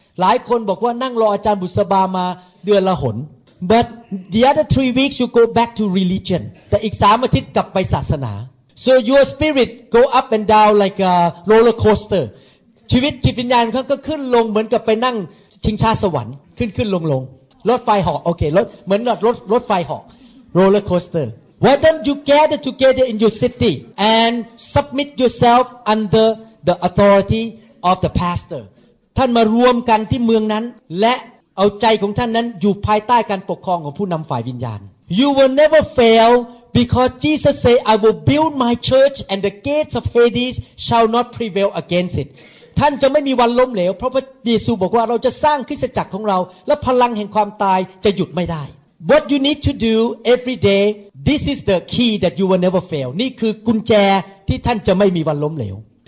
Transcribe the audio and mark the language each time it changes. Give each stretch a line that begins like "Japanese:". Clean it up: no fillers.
Thai: หลายคนบอกว่านั่งรออาจารย์บุษบามาเดือนละหน
English: But the other 3 weeks you go back to religion.
Thai: แต่อีก3อาทิตย์กลับไปศาสนา
English: So your spirit go up and down like a roller coaster.
Thai: ชีวิตจิตวิญญาณของเขาก็ขึ้นลงเหมือนกับไปนั่งชิงช้าสวรรค์ขึ้นลงรถไฟเหาะโอเครถเหมือนรถไฟเหาะ roller coaster.
English: Why don't you gather together in your city and submit yourself under the authority of the pastor?
Thai: ท่านมารวมกันที่เมืองนั้นและเอาใจของท่านนั้นอยู่ภายใต้การปกครองของผู้นำฝ่ายวิญญาณ
English: You will never fail because Jesus say I will build my church and the gates of Hades shall not prevail against it
Thai: ท่านจะไม่มีวันล้มเหลวเพราะพระเยซูบอกว่าเราจะสร้างคริสตจักรของเราและพลังแห่งความตายจะหยุดไม่ได้
English: What you need to do every day this is the key that you will never fail
Thai: นี่คือกุญแจที่ท่านจะไม่มีวันล้มเหลว